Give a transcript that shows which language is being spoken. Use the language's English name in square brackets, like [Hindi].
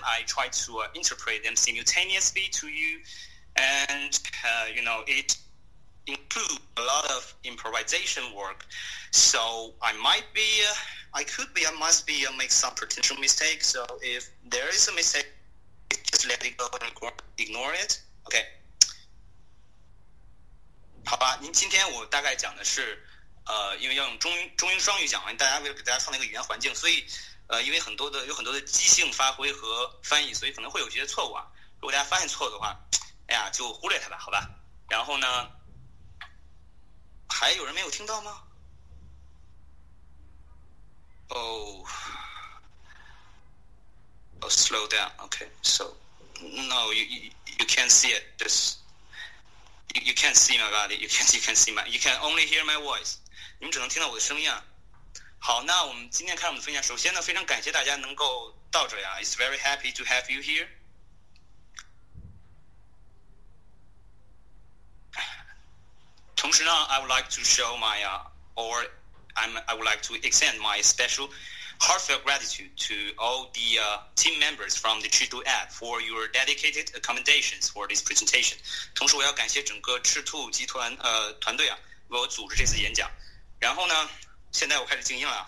[English] I try to interpret them simultaneously to you, and it includes a lot of improvisation work. So I might be, I could be, I must be, make some potential mistakes. So if there is a mistake, just let it go and ignore it. Okay. [Chinese] 好吧，您今天我大概讲的是。因为要用中英双语讲，大家为了给大家创造一个语言环境，所以，因为有很多的即兴发挥和翻译，所以可能会有些错误啊。如果大家发现错的话，哎呀，就忽略它吧，好吧。然后呢，还有人没有听到吗？ [English] Oh, slow down. Okay, so no, you can't see it. Just you can't see my body. You can only hear my voice. [Chinese] 你们只能听到我的声音啊。好，那我们今天开始我们的分享。首先呢，非常感谢大家能够到这里啊。 [English] It's very happy to have you here。 [Chinese] 同时呢， [English] I would like to show my or I'm I would like to extend my special heartfelt gratitude to all the team members from the Chitu app for your dedicated accommodations for this presentation。 [Chinese] 同时，我要感谢整个赤兔集团团队啊，为我组织这次演讲。然后呢，现在我开始静音了。